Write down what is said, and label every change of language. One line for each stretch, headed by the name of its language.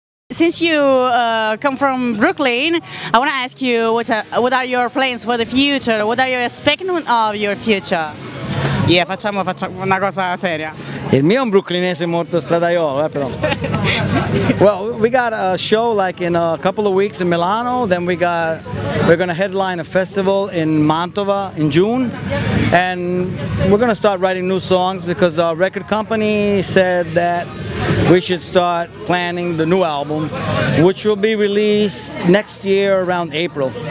English: Since you come from Brooklyn, I want to ask you what are your plans for the future? What are you expecting of your future? Yeah,
Italian: facciamo una cosa seria. Il mio è un brooklynese molto stradaiolo, però.
English: Well, we got a show like in a couple of weeks in Milano. Then we're gonna headline a festival in Mantova in June, and we're gonna start writing new songs because our record company said that we should start planning the new album, which will be released next year around April.